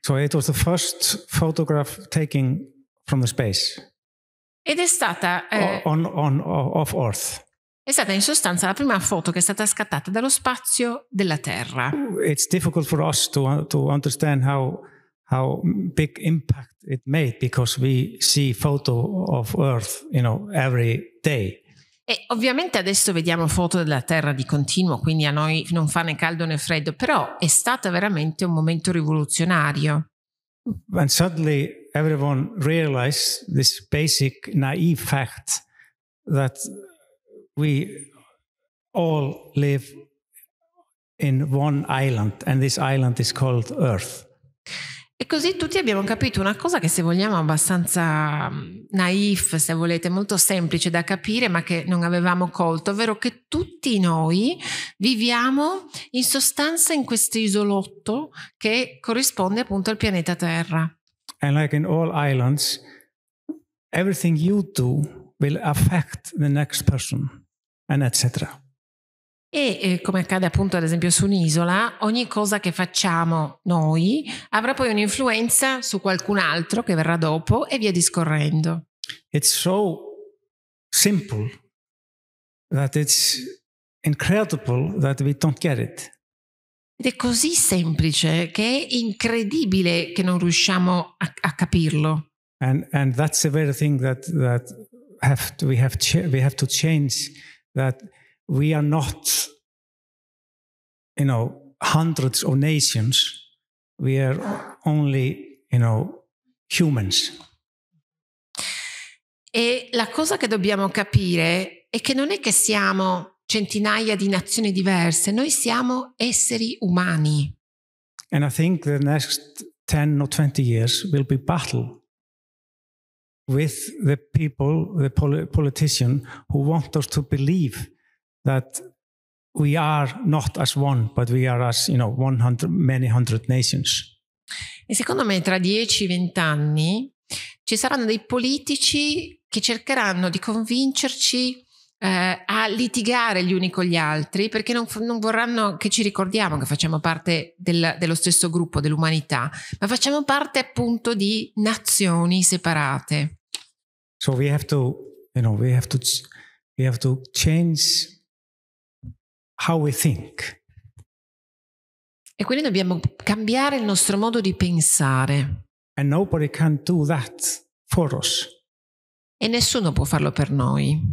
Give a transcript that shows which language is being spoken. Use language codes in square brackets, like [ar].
[en] So it was the first photograph taken from the space. [it] Ed è stata [en] off Earth. [it] È stata in sostanza la prima foto che è stata scattata dallo spazio della Terra. [en] It's difficult for us to understand how big impact it made because we see photo of Earth, you know, every day. [it] E ovviamente adesso vediamo foto della Terra di continuo, quindi a noi non fa né caldo né freddo, però è stato veramente un momento rivoluzionario. [en] And suddenly everyone realized this basic naive fact that we all live in one island and this island is called Earth. [it] E così tutti abbiamo capito una cosa che, se vogliamo, abbastanza naif, se volete, molto semplice da capire, ma che non avevamo colto, ovvero che tutti noi viviamo in sostanza in questo isolotto che corrisponde appunto al pianeta Terra. [en] And like in all islands, everything you do will affect the next person, and etc. [it] E come accade appunto ad esempio su un'isola, ogni cosa che facciamo noi avrà poi un'influenza su qualcun altro che verrà dopo e via discorrendo. [en] It's so simple that it's incredible that we don't get it. [it] Ed è così semplice che è incredibile che non riusciamo a capirlo. [en] And that's the very thing that we have to change, that we are not, you know, hundreds of nations, we are only, you know, humans. [it] E la cosa che dobbiamo capire è che non è che siamo centinaia di nazioni diverse, noi siamo esseri umani. [en] And I think the next 10 or 20 years will be battle with the people, the politicians who want us to believe that we are not as one, but we are as, you know, 100, many hundred nations. [it] E secondo me tra 10-20 anni ci saranno dei politici che cercheranno di convincerci a litigare gli uni con gli altri, perché non vorranno che ci ricordiamo che facciamo parte dello stesso gruppo, dell'umanità, ma facciamo parte appunto di nazioni separate. [en] So we have to change how we think. [it] E quindi dobbiamo cambiare il nostro modo di pensare. [en] And nobody can do that for us. [it] E nessuno può farlo per noi.